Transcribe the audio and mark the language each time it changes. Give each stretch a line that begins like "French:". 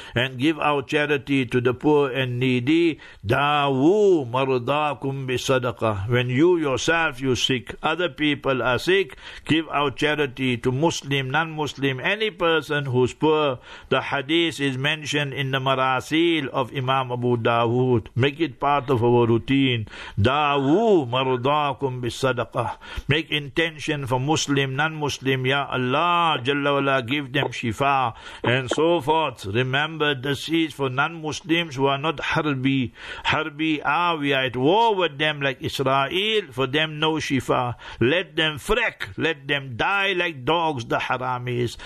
English: And give our charity to the poor and needy. Da'u mardakum bi sadaqah. When you yourself, you sick, other people are sick, give our charity to Muslim, non-Muslim, any person who's poor. The hadith is mentioned in the marasil of Imam Abu Dawood. Make it part of our routine.
Arabic: Da'u مرضاكم بالصدقة.
English: Make intention for Muslim, non-Muslim. Ya Allah, Jalla wala, give them shifa and so forth. Remember, this is for non-Muslims who are not harbi. Harbi, we are at war with them like Israel. For them, no shifa. Let them freak. Let them die like dogs, the haramis.